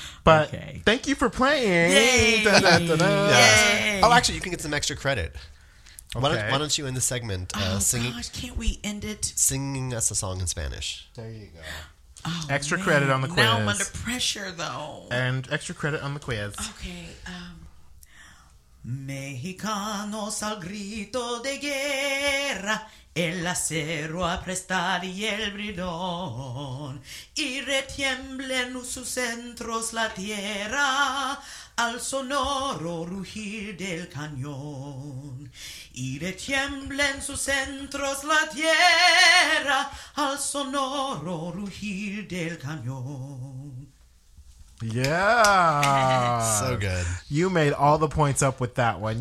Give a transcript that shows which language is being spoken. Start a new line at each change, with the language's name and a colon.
English: But okay. Thank you for playing. Yay! Yeah. Oh, actually, you can get some extra credit. Okay. Why don't you end the segment singing? Oh, gosh, can't we end it? Singing us a song in Spanish. There you go. Oh, extra man. Credit on the quiz. Now I'm under pressure, though. And extra credit on the quiz. Okay.
Spanish: Mexicanos al grito de guerra, el acero a prestar y el bridón, y retiemblen sus centros la tierra al sonoro rugir del cañón. Y retiemblen sus centros la tierra al sonoro rugir del cañón.
English: Yeah. So good. You made all the points up with that one.